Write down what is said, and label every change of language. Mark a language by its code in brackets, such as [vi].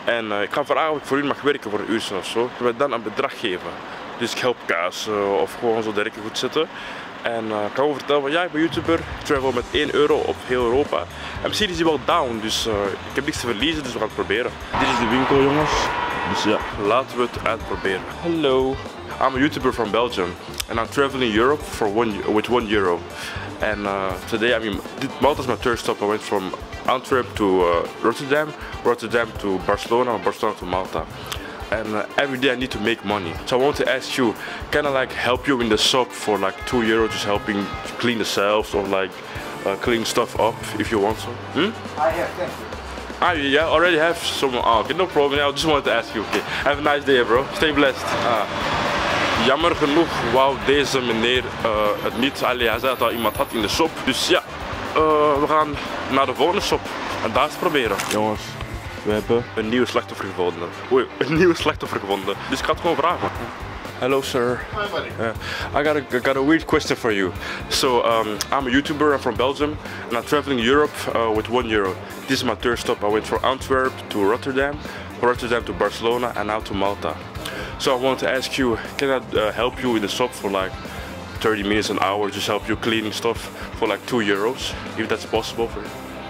[nl] En ik ga vragen of ik voor u mag werken voor een uurtje of zo. Ik wil dan een bedrag geven. Dus ik help kaas of gewoon zo direct goed zitten. En ik kan gewoon vertellen van ja, ik ben YouTuber. Ik travel met 1 euro op heel Europa. En misschien is hij wel down, dus ik heb niks te verliezen, dus we gaan het proberen. Dit is de winkel, jongens. Dus ja, laten we het uitproberen. Hallo. [en] I'm a YouTuber from Belgium. And I'm traveling Europe with 1 euro. And today, I mean, Malta is my third stop. I went from Antwerp to Rotterdam, Rotterdam to Barcelona, Barcelona to Malta. And every day I need to make money. So I want to ask you, can I like help you in the shop for like 2 euros, just helping clean the shelves or like clean stuff up if you want some? Thank you. Ah, yeah, already have some. Oh, okay, no problem. Yeah, I just wanted to ask you. Okay, have a nice day, bro. Stay blessed. [nl] Jammer genoeg wou deze meneer het niet. Allee, hij zei dat hij iemand had in de shop. Dus ja, we gaan naar de volgende shop en daar eens proberen. Jongens, we hebben een nieuwe slachtoffer gevonden. Oei, een nieuwe slachtoffer gevonden. Dus ik ga het gewoon vragen. [en] Hello, sir. Hi, buddy. I got a weird question for you. So, I'm a YouTuber. I'm from Belgium. And I'm traveling Europe with 1 euro. This is my third stop. I went from Antwerp to Rotterdam, Rotterdam to Barcelona, and now to Malta. So I want to ask you, can I help you in the shop for like 30 minutes, an hour, just help you cleaning stuff for like 2 euros, if that's possible for you?